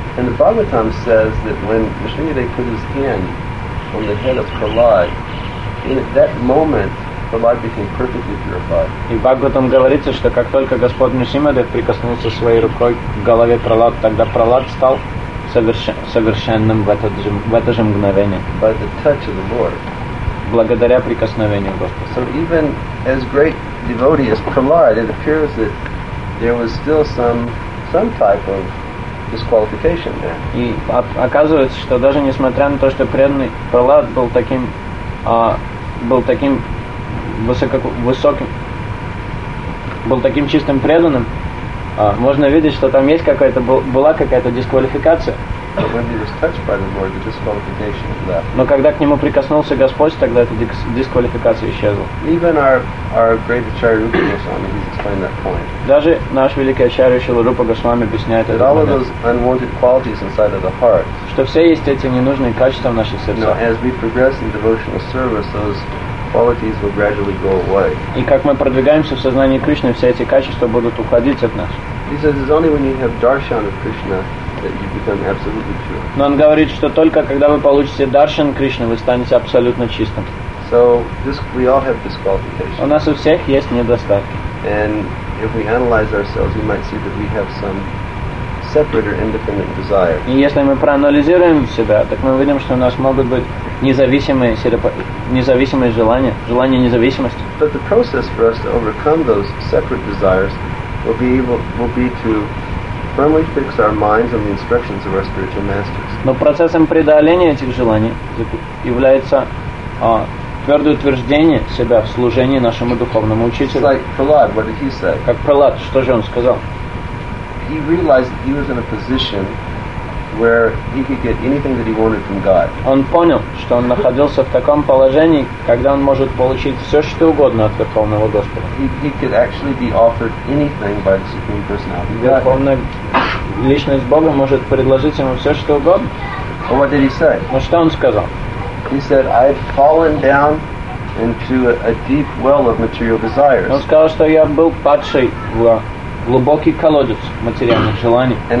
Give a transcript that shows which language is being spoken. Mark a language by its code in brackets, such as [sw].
[en] And the Bhagavatam says that when Nisimadev put his hand on the head of Prahlad, in that moment, Prahlad became perfectly purified. [ru] И в Бхагаватам говорится, что как только Господь Нисимадев прикоснулся своей рукой к голове Прохлад, тогда Прохлад стал совершенным в это же мгновение. [en] By the touch of the Lord. [ru] Благодаря прикосновению Господа. [en] So even as great devotee as Prahlad, it appears that there was still some type of disqualification there. [ru] И оказывается, что даже несмотря на то, что преданный Прохлад был таким чистым преданным, можно видеть, что там есть была какая-то дисквалификация. [en] But when he was touched by the Lord, the disqualification left. [ru] Но когда к нему прикоснулся Господь, тогда эта дисквалификация исчезла. [en] Even our great Acharya Rupa Goswami, he's explained that point. [ru] Даже наш великий Ачарья Шрила Рупа Госвами объясняет это. [en] All of those unwanted qualities inside of the heart. [ru] Что все есть эти ненужные качества в наших сердцах. [en] Now, as we progress in devotional service, those qualities will gradually go away. [ru] И как мы продвигаемся в сознании Кришны, все эти качества будут уходить от нас. [en] He says it's only when you have darshan of Krishna that you become absolutely pure. [ru] Но он говорит, что только когда вы получите даршан Кришны, вы станете абсолютно чистым. [en] So this, we all have disqualifications. [ru] У нас у всех есть недостатки. [en] And if we analyze ourselves, we might see that we have some separate or independent desire. [ru] И если мы проанализируем себя, так мы видим, что у нас могут быть независимые желания, желания независимости. [en] But the process for us to overcome those separate desires will be to firmly fix our minds on the instructions of our spiritual masters. [ru] Но процессом преодоления этих желаний является твердое утверждение себя в служении нашему духовному учителю. [en] Like Prahlad, what did he say? [ru] Как Прохлад, что же он сказал? [en] He realized that he was in a position where he could get anything that he wanted from God. [ru] Он понял, что он находился в таком положении, когда он может получить все, что угодно от Верховного Господа. [en] He could actually be offered anything by the Supreme Personality. [ru] Верховная личность Бога может предложить ему все, что угодно. [en] Well, what did he say? [ru] Но что он сказал? [en] He said, I've fallen down into a deep well of material desires. [ru] Он сказал, что я был падший в глубокий колодец материальных желаний.